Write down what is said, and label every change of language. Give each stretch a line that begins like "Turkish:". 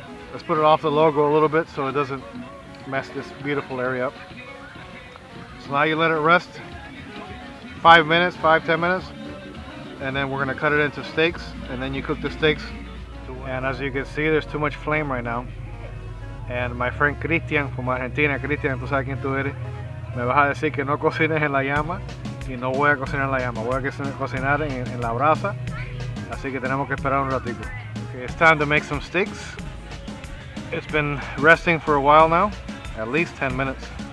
English: Let's put it off the logo a little bit so it doesn't mess this beautiful area up. So now you let it rest 5 minutes, 5-10 minutes, and then we're gonna cut it into steaks, and then you cook the steaks. And as you can see, there's too much flame right now. And my friend Cristian from Argentina,
Spanish: Cristian, tú sabes quién tú eres, me vas a decir que no cocines en la llama, y no voy a cocinar en la llama, voy a cocinar en la brasa. Así que tenemos que esperar un ratito.
English: Okay, it's time to make some steaks. It's been resting for a while now, at least 10 minutes.